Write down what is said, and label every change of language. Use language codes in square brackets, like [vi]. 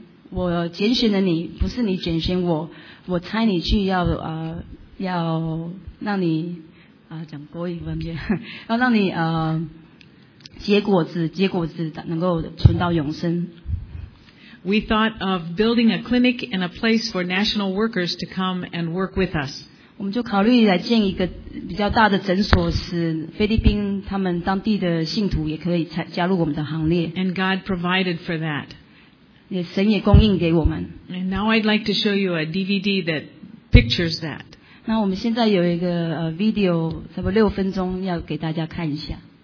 [zh] 我拣选了你，不是你拣选我。我差你去要要让你讲国语文件，要让你结果子能够存到永生。 [en] We thought of building a clinic and a place for national workers to come and work with us. [zh] 我们就考虑来建一个比较大的诊所，使菲律宾他们当地的信徒也可以加入我们的行列。 [en] And God provided for that. [zh] 神也供应给我们。 [en] And now I'd like to show you a DVD that pictures that. [zh] 那我们现在有一个video， 差不多六分钟，要给大家看一下。